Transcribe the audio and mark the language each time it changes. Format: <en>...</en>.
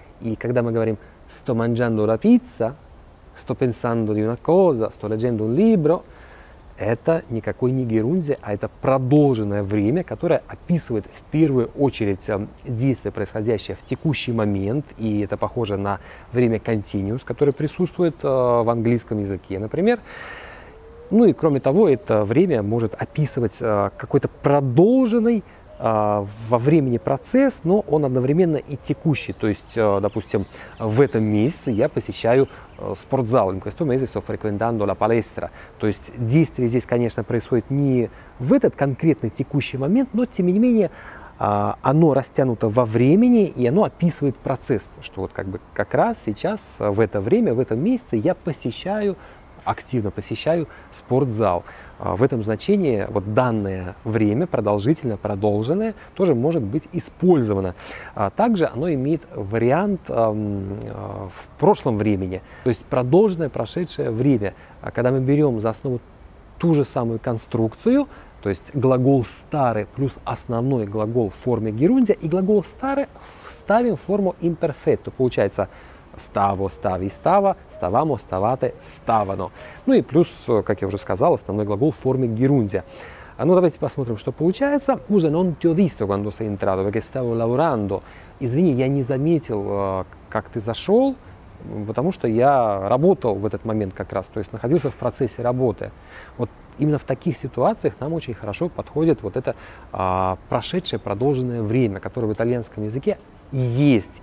<ru>И когда мы говорим</ru> <it>«sto mangiando la pizza», «sto pensando di una cosa», «sto leggendo un libro»,</it> <ru>это никакой не герундия, а это продолженное время, которое описывает в первую очередь действие, происходящее в текущий момент, и это похоже на время continuous, которое присутствует в английском языке, например. Ну и кроме того, это время может описывать какой-то продолженный во времени процесс, но он одновременно и текущий. То есть, допустим, в этом месяце я посещаю спортзал.</ru> <it>In questo mese sto frequentando la palestra.</it> <ru>То есть действие здесь, конечно, происходит не в этот конкретный текущий момент, но, тем не менее, оно растянуто во времени, и оно описывает процесс, что вот как бы как раз сейчас, в это время, в этом месяце я посещаю, активно посещаю спортзал. В этом значении вот данное время, продолжительное, продолженное, тоже может быть использовано. Также оно имеет вариант в прошлом времени, то есть продолженное прошедшее время. Когда мы берем за основу ту же самую конструкцию, то есть глагол «stare» плюс основной глагол в форме герундия, и глагол «stare» вставим в форму «imperfetto», получается «stavo», «stavi», «stava», «stavamo», «stavate», «stavano». Ну и плюс, как я уже сказал, основной глагол в форме герундия. Ну давайте посмотрим, что получается.</ru> <it>«Scusa, non ti ho visto quando sei entrato, perché stavo lavorando».</it> <ru>«Извини, я не заметил, как ты зашел, потому что я работал в этот момент как раз, то есть находился в процессе работы». Вот именно в таких ситуациях нам очень хорошо подходит вот это прошедшее продолженное время, которое в итальянском языке есть.</ru>